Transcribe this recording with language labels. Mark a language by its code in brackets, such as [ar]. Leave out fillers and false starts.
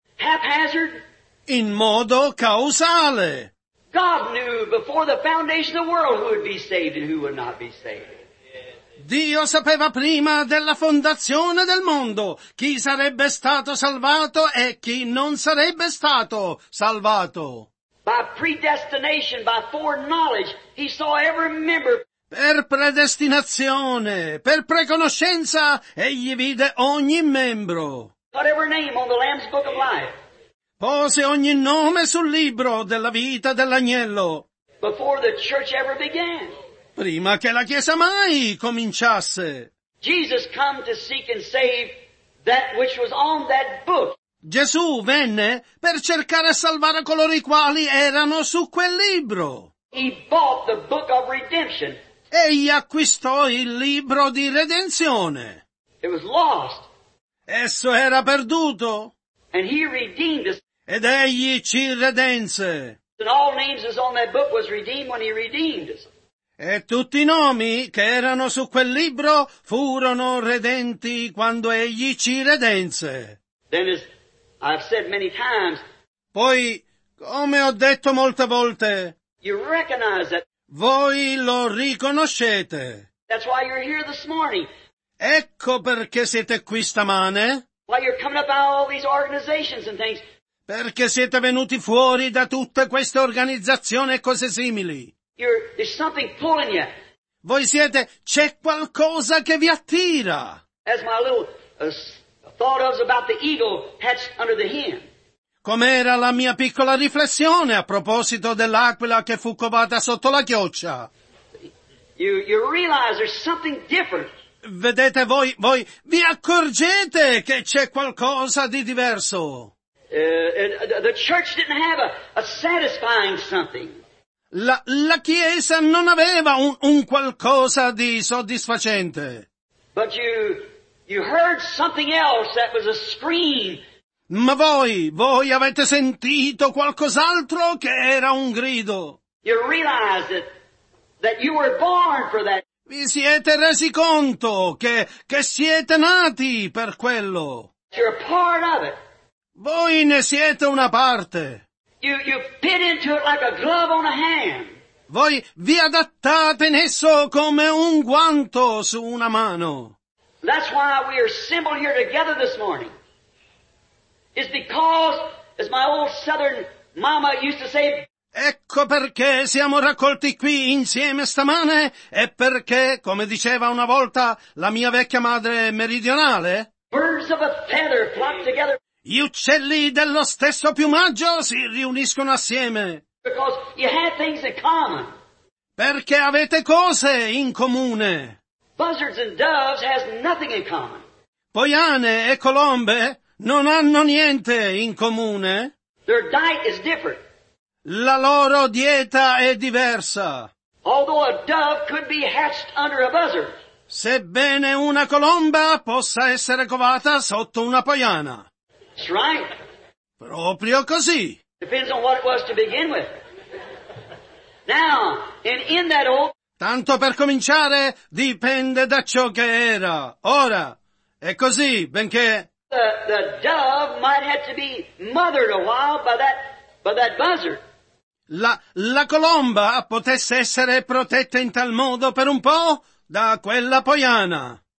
[en] Haphazard? [it] In modo causale. [en] God knew before the foundation of the world who would be saved and who would not be saved. [it] Dio sapeva prima della fondazione del mondo chi sarebbe stato salvato e chi non sarebbe stato salvato. [en] By predestination, by foreknowledge, he saw every member. [it] Per predestinazione, per preconoscenza, egli vide ogni membro. [en] Put every name on the Lamb's Book of Life. [it] Pose ogni nome sul libro della vita dell'agnello. [en] Before the church ever began. [it] Prima che la chiesa mai cominciasse. [en] Jesus came to seek and save that which was on that book. [it] Gesù venne per cercare e salvare coloro i quali erano su quel libro. [en] He bought the book of redemption. [it] Egli acquistò il libro di redenzione. [en] It was lost. [it] Esso era perduto. [en] And he redeemed us. [it] Ed egli ci redense. [en] And all names is on that book was redeemed when he redeemed us. [it] E tutti i nomi che erano su quel libro furono redenti quando egli ci redense. [en] Then is I've said many times. [it] Poi, come ho detto molte volte. [en] You recognize it. [it] Voi lo riconoscete. [en] That's why you're here this morning. [it] Ecco perché siete qui stamane. [en] Why you're coming up out of all these organizations and things. [it] Perché siete venuti fuori da tutte queste organizzazioni e cose simili. [en] There's something pulling you. [it] Voi siete, c'è qualcosa che vi attira. [en] As my little thought of about the eagle hatched under the hen. [it] Com'era la mia piccola riflessione a proposito dell'aquila che fu covata sotto la chioccia? [en] You realize there's something different. [it] Vedete voi vi accorgete che c'è qualcosa di diverso. [en] The church didn't have a satisfying something. [it] La chiesa non aveva un qualcosa di soddisfacente. [en] But you heard something else that was a scream. [it] Ma voi avete sentito qualcos'altro che era un grido. [en] You realize that you were born for that. [it] Vi siete resi conto che siete nati per quello. [en] You're a part of it. [it] Voi ne siete una parte. [en] You fit into it like a glove on a hand. [it] Voi vi adattate in esso come un guanto su una mano. [en] That's why we are assembled here together this morning. It's because, as my old southern mama used to say, [it] ecco perché siamo raccolti qui insieme stamane, e perché, come diceva una volta la mia vecchia madre meridionale, [en] birds of a feather flock together. [it] Gli uccelli dello stesso piumaggio si riuniscono assieme. [en] Because you have things in common. [it] Perché avete cose in comune. [en] Buzzards and doves has nothing in common. [it] Poiane e colombe non hanno niente in comune. [en] Their diet is different. [it] La loro dieta è diversa. [en] Although a dove could be hatched under a buzzard. [it] Sebbene una colomba possa essere covata sotto una poiana. [en] That's right. [it] Proprio così. [en] Depends on what it was to begin with. Now, and in that old... [it] Tanto per cominciare, dipende da ciò che era. Ora, è così, benché... [en] The dove might have to be mothered a while by that buzzard. [it] La colomba potesse essere protetta in tal modo per un po' da quella poiana.